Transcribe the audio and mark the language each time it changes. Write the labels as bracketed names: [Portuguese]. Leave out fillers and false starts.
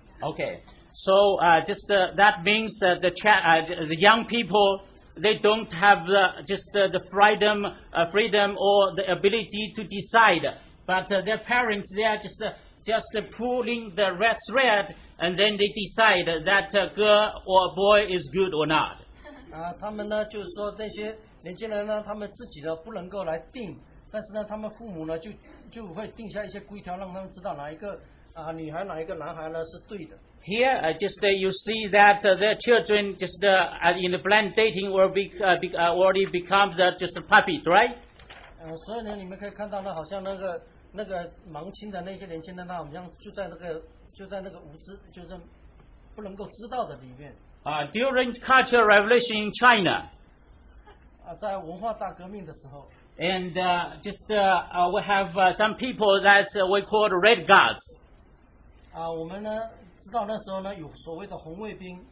[English] Okay, so that means the young people they don't have the freedom freedom or the ability to decide, but their parents they are just pulling the red thread and then they decide that a girl or a boy is good or not. [Chinese] 他们呢就是说这些。年轻人呢，他们自己的不能够来定，但是呢，他们父母呢就会定下一些规条，让他们知道哪一个女孩哪一个男孩呢是对的。 [English] Here, you see that their children in the blind dating already become just a puppy, right? [Chinese] 所以呢，你们可以看到呢，好像那个盲亲的那些年轻人，他好像就在那个无知，就是不能够知道的里面。 [English] During Cultural Revolution in China. [Chinese] 在文化大革命的时候 [English] and we have some people that we call red guards. [Chinese] 我们呢知道那时候呢有所谓的红卫兵。